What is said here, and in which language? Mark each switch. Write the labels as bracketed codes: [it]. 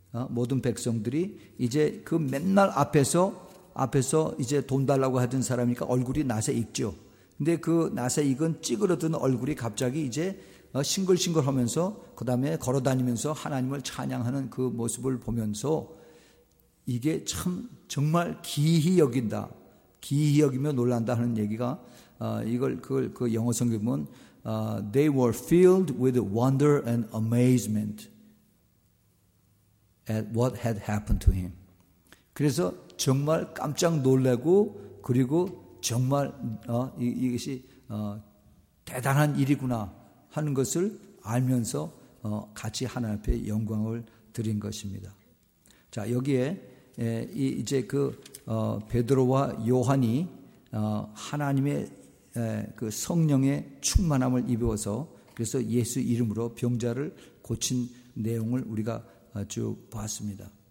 [ko] 모든 백성들이 이제 그 맨날 앞에서 이제 돈 달라고 하던 사람이니까 얼굴이 낯에 익죠. 근데 그 낯에 익은 찌그러든 얼굴이 갑자기 이제 싱글싱글 하면서 그 다음에 걸어 다니면서 하나님을 찬양하는 그 모습을 보면서 이게 참 정말 기히 여긴다. 기히 여기며 놀란다 하는 얘기가 그 영어 성경은 [en] they were filled with wonder and amazement at what had happened to him. [ko] 그래서 정말 깜짝 놀라고 그리고 정말 이것이 대단한 일이구나 하는 것을 알면서 같이 하나님 앞에 영광을 드린 것입니다. 자, 여기에 이제 그 베드로와 요한이 하나님의 그 성령의 충만함을 입어서 그래서 예수 이름으로 병자를 고친 내용을 우리가 쭉 봤습니다.